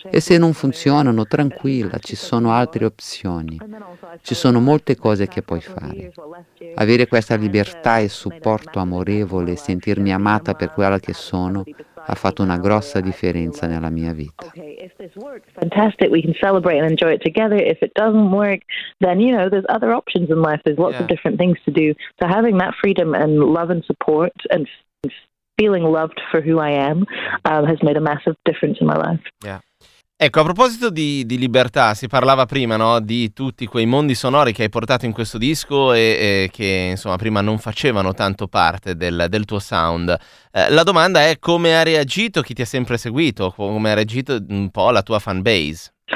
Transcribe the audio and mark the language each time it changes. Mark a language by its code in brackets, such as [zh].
[it] E se non funzionano, tranquilla, ci sono altre opzioni. Ci sono molte cose che puoi fare. Avere questa libertà e supporto amorevole, sentirmi amata per quella che sono, ha fatto una grossa differenza nella mia vita. [en] Fantastic, we can celebrate and enjoy it together. If it doesn't work, then you know there's other options in life. There's lots of different things to do. So having that freedom and love and support and feeling loved for who I am has made a massive difference in my life. Yeah. [it] Ecco, a proposito di libertà, si parlava prima, no, di tutti quei mondi sonori che hai portato in questo disco e che insomma prima non facevano tanto parte del tuo sound. La domanda è: come ha reagito chi ti ha sempre seguito, come ha reagito un po' la tua fan base?